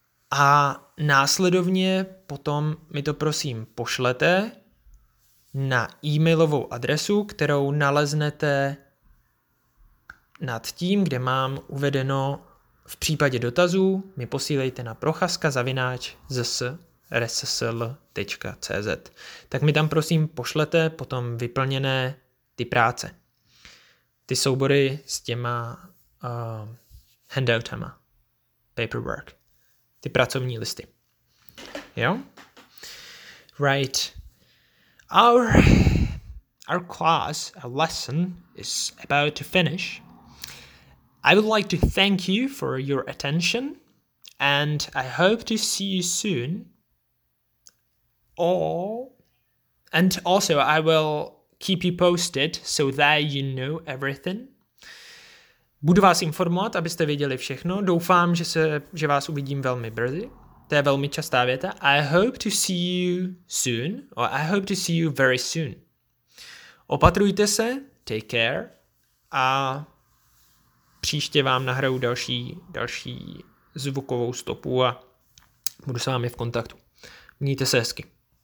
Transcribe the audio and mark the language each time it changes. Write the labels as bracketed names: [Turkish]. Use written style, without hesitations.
[Czech] A následovně potom mi to prosím pošlete na e-mailovou adresu, kterou naleznete nad tím, kde mám uvedeno v případě dotazů, mi posílejte na prochazka@zsrsl.cz. Tak mi tam prosím pošlete potom vyplněné ty práce. Ty soubory s těma handoutama, paperwork, ty pracovní listy. Jo? Right. [English] Our class, our lesson, is about to finish. I would like to thank you for your attention, and I hope to see you soon. And also, I will keep you posted so that you know everything. [Czech] Budu vás informovat, abyste věděli všechno. Doufám, že vás uvidím velmi brzy. To je velmi častá věta. [English] I hope to see you soon, or I hope to see you very soon. [Czech] Opatrujte se, [English] take care, [Czech] a příště vám nahraju další zvukovou stopu a budu s vámi v kontaktu. Mějte se hezky.